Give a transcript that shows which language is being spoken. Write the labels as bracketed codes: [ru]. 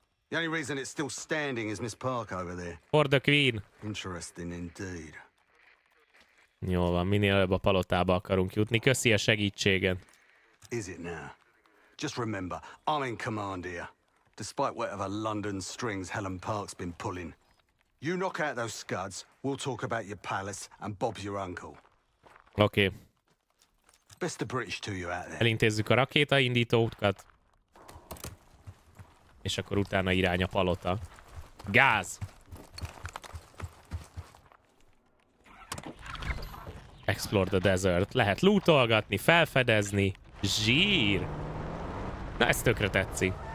[en] The only reason it's still standing is Miss Park over there. For the queen. Interesting indeed. [hu] Jól van, minél előbb a palotába akarunk jutni. Köszi a segítséget. [en] Is it now? Just remember, I'm in command here. Despite whatever London strings Helen Park's been pulling. You knock out those scuds, we'll talk about your palace and Bob your uncle. [hu] Oké. [en] Best the British to you out there. [hu] Elintézzük a rakéta indító útkat. És akkor utána irány a palota. Gáz! [en] explore the desert. [hu] Lehet lootolgatni, felfedezni. Zsír. Na, ez tökre tetszik.